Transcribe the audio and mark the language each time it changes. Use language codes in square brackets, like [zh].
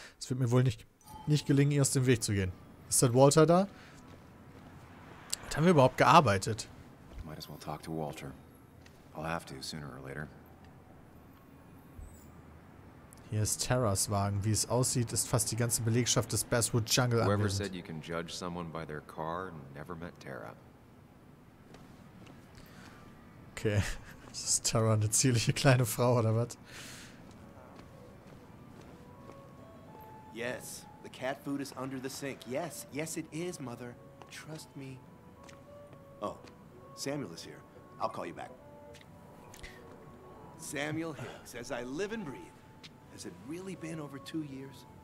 [de] Es wird mir wohl nicht gelingen, ihr aus dem Weg zu gehen. Ist das Walter da? Was haben wir überhaupt gearbeitet? [en] Might as well talk to Walter. I'll have to, sooner or later. [de] Hier ist Terras Wagen. Wie es aussieht, ist fast die ganze Belegschaft des Basswood Jungle anwesend. [en] Whoever said you can judge someone by their car never met Terra. Okay. [de] Ist Terra eine zierliche kleine Frau, oder was? [en] Yes, the cat food is under the sink. Yes, yes it is, mother. Trust me. Oh, Samuel is here. I'll call you back. Samuel Hicks, as I live and breathe. Has it really been over 2 years?